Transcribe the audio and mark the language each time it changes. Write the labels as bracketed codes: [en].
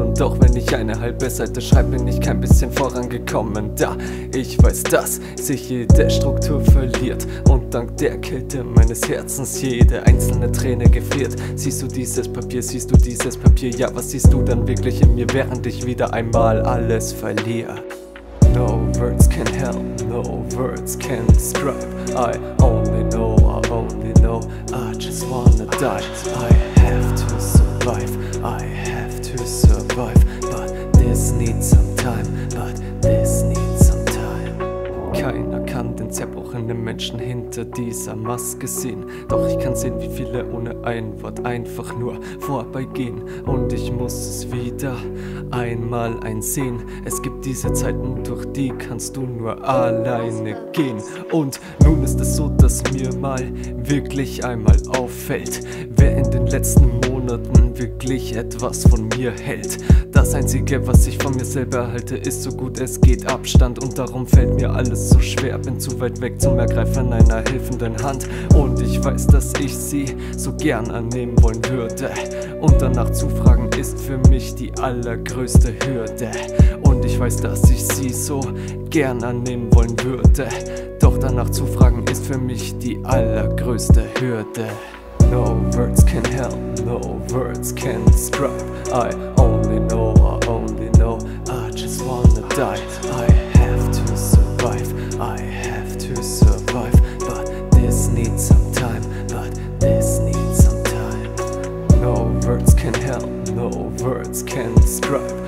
[de] Und doch wenn ich eine halbe Seite schreibe, bin ich kein bisschen vorangekommen, da ich weiß, dass sich jede Struktur verliert und dank der Kälte meines Herzens jede einzelne Träne gefriert. Siehst du dieses Papier, siehst du dieses Papier? Ja, was siehst du dann wirklich in mir, während ich wieder einmal alles verliere? [en] No words can help, no words can describe. I only know, I only know, I just wanna die. I have to survive, I have to survive. But this needs some time, but this needs some time. [de] Keiner kann den zerbrochenen Menschen hinter dieser Maske sehen. Doch ich kann sehen, wie viele ohne ein Wort einfach nur vorbeigehen. Und ich muss es wieder einmal einsehen. Es gibt diese Zeiten, durch die kannst du nur alleine gehen. Und nun ist es so, dass mir mal wirklich einmal auffällt, wer in den letzten Monaten wirklich etwas von mir hält. Das Einzige, was ich von mir selber halte, ist so gut es geht Abstand. Und darum fällt mir alles so schwer, bin zu weit weg zum Ergreifen einer helfenden Hand. Und ich weiß, dass ich sie so gern annehmen wollen würde. Und danach zu fragen ist für mich die allergrößte Hürde. Und ich weiß, dass ich sie so gern annehmen wollen würde. Doch danach zu fragen ist für mich die allergrößte Hürde. [en] No words can help, no words can describe. I only know, I only know, I just wanna die. I have to survive, I have to survive. But this needs some time, but this needs some time. No words can help, no words can describe.